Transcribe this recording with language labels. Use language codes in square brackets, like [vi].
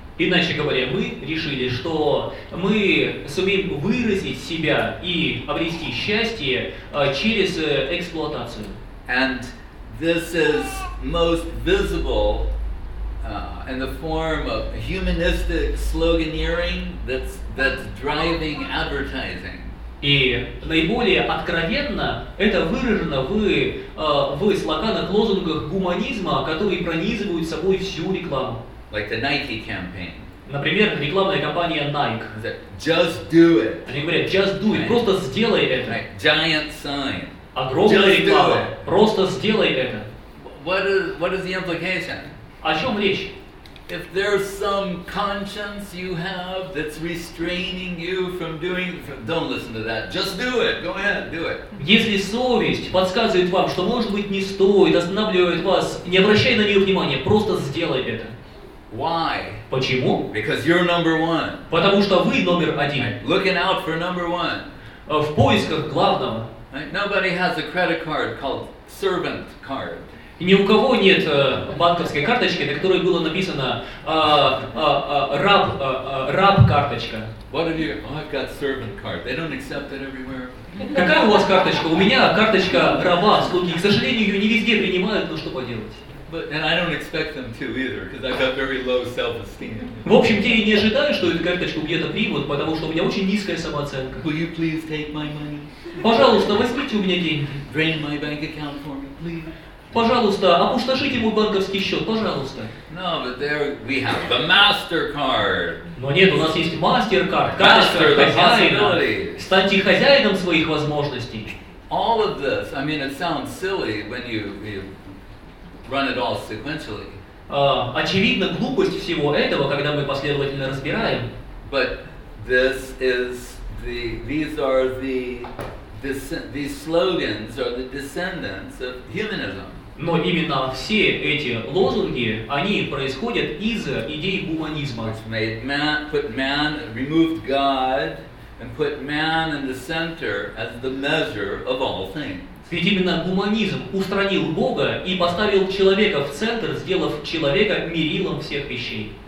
[ru] Иначе говоря, мы решили, что мы сумеем выразить себя и обрести счастье через эксплуатацию. [en] And this is most visible in the form of humanistic sloganeering that's driving advertising. [ru] И наиболее откровенно это выражено в слоганах, лозунгах гуманизма, которые пронизывают собой всю рекламу. [en] Like the Nike campaign. [ru] Например, рекламная кампания Nike. [en] Just do it. [ru] Они говорят, [en] just do it, right. [ru] Просто сделай это. [en] Right. Giant sign. [ru] Огромная just реклама. Просто сделай это. [en] What is the implication? [ru] О чем речь? [en] If there's some conscience you have that's restraining you from doing, don't listen to that. Just do it. Go ahead, do it. [ru] Если совесть подсказывает вам, что может быть не стоит, останавливает вас, не обращай на нее внимания, просто сделай это. [en] Why? [ru] Почему? [en] Because you're number one. [ru] Потому что вы номер один. [en] Right. Looking out for number one. [ru] В поисках главного. [en] Right. Nobody has a credit card called servant card. [ru] Ни у кого нет банковской карточки, на которой было написано раб карточка. [en] What have you? Oh, I've got servant card. They don't accept that everywhere. [ru] Какая у вас карточка? У меня карточка раба, слуги. К сожалению, ее не везде принимают, но что поделать. [en] But and I don't expect them to either, because I've got very low self-esteem. [ru] В общем, я и не ожидаю, что эту карточку где-то примут, потому что у меня очень низкая самооценка. [en] Will you please take my money? [ru] Пожалуйста, возьмите у меня деньги. [en] Drain my bank account for me, please. [ru] Пожалуйста, опустошите мой банковский счет, пожалуйста. [en] No, but there we have the MasterCard. [ru] Но нет, у нас есть MasterCard. MasterCard хозяина. Станьте хозяином своих возможностей. [en] All of this, I mean, it sounds silly when you run it all sequentially. [ru] Очевидно, глупость всего этого, когда мы последовательно разбираем. [en] But this is these slogans are the descendants of humanism. [ru] Но именно все эти лозунги, они происходят из идей гуманизма. [en] Which made man, put man, removed God, and put man in the center as the measure of all things. [ru] Ведь именно гуманизм устранил Бога и поставил человека в центр, сделав человека мерилом всех вещей.